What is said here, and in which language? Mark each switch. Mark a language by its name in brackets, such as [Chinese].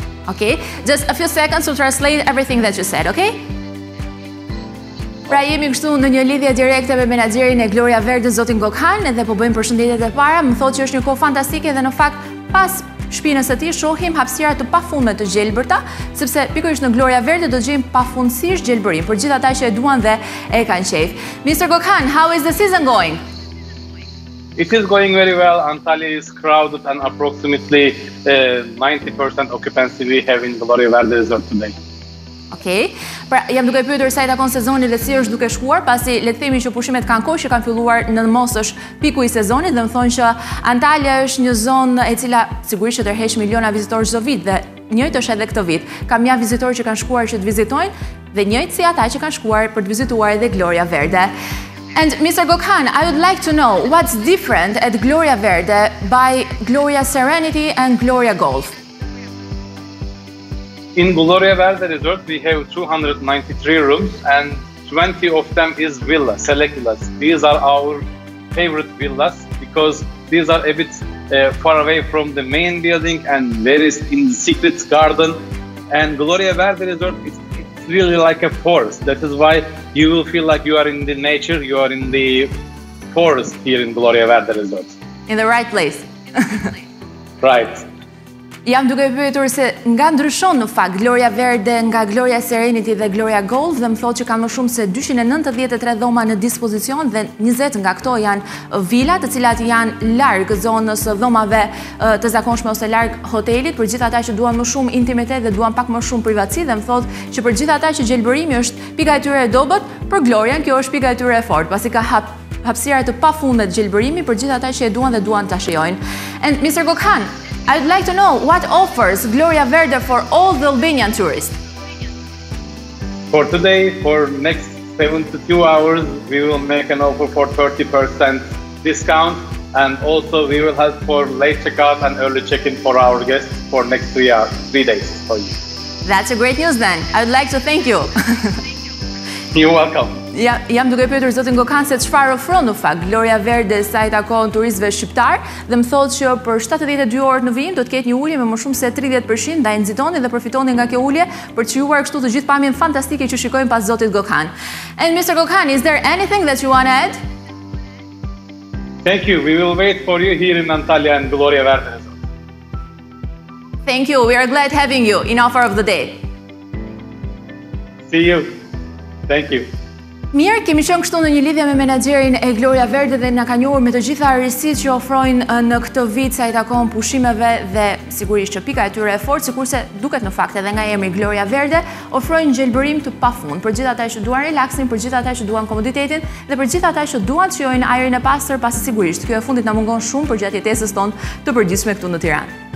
[English] Okay, just a few seconds to translate everything that you said, okay? [Albanian] Pra jemi kështu në një lidhje direkte me menaxherin e Gloria Verde, zotin Gokhan, dhe po bëjmë përshëndetjet e para. Më thotë që është një kohë fantastike dhe në fakt pas shpinës së tij shohim hapësira të pafundme të gjelbërta, sepse pikërisht në Gloria Verde do të gjejmë pafundësisht gjelbërim për gjithë ata që e duan dhe e kanë qejf. [English] Mr. Gokhan, how is the season going? It is going very well. Antalya is crowded and approximately 90% occupancy we have in Gloria Verde Resort today. Okay. [Albanian] Pra jam duke pyetur sa i takon sezonit dhe si është duke shkuar, pasi le të themi që pushimet kanë kohë që kanë filluar në mosësh piku i sezonit dhe më thonë që Antalya është një zonë e cila sigurisht që tërheq miliona vizitorë çdo vit dhe njëjtë është edhe këtë vit. Kam ja vizitorë që kanë shkuar që të vizitojnë dhe njëjtë si ata që kanë shkuar për të vizituar edhe Gloria Verde. [English] And Mr. Gokhan, I would like to know what's different at Gloria Verde by Gloria Serenity and Gloria Golf. In Gloria Verde Resort, we have 293 rooms and 20 of them is villas, select villas. These are our favorite villas because these are a bit far away from the main building and there is in the secret garden. And Gloria Verde Resort, it's really like a forest. That is why you will feel like you are in the nature, you are in the forest here in Gloria Verde Resort. In the right place. Right. [Albanian] Jam duke pyetur se nga ndryshon në fakt Gloria Verde nga Gloria Serenity dhe Gloria Gold, dhe më thotë që ka më shumë se 293 dhoma në dispozicion dhe 20 nga këto janë vila, të cilat janë larg zonës së dhomave të zakonshme ose larg hotelit për gjithë ata që duan më shumë intimitet dhe duan pak më shumë privatësi, dhe më thotë që për gjithë ata që gjelbërimi është pika e tyre e dobët, për Gloria kjo është pika e tyre e fortë, pasi ka hapësira të pafundme të gjelbërimit për gjithë ata që e duan dhe duan ta shijojnë. [English] And Mr. Gokhan, I'd like to know what offers Gloria Verde for all the Albanian tourists. For today, for next 72 hours, we will make an offer for 30% discount, and also we will have for late checkout and early check-in for our guests for next 3 days for you. That's a great news then. I'd like to thank you. You're welcome. [Albanian] Ja, jam duke pyetur zotin Gokhan se çfarë ofron në fakt Gloria Verde sa i takon turistëve shqiptar, dhe më thotë që për 72 orë në vijim do të ketë një ulje me më shumë se 30%, ndaj nxitoni dhe përfitoni nga kjo ulje për të qejuar kështu të gjithë pamjen fantastike që shikojmë pas zotit Gokhan. [English] And Mr. Gokhan, is there anything that you want to add? Thank you. We will wait for you here in Antalya and Gloria Verde. Thank you. We are glad having you in offer of the day. See you. Thank you. [Albanian] Mirë, kemi qenë kështu në një lidhje me menaxherin e Gloria Verde dhe na ka njohur me të gjitha arsyet që ofrojnë në këtë vit sa i takon pushimeve, dhe sigurisht që pika e tyre e fortë, sikurse duket në fakt edhe nga emri Gloria Verde, ofrojnë gjelbërim të pafund për gjithë ata që duan relaksin, për gjithë ata që duan komoditetin dhe për gjithë ata që duan të shijojnë ajrin e pastër, pasi sigurisht kjo e fundit na mungon shumë përgjatë jetesës tonë të përgjithshme këtu në Tiranë.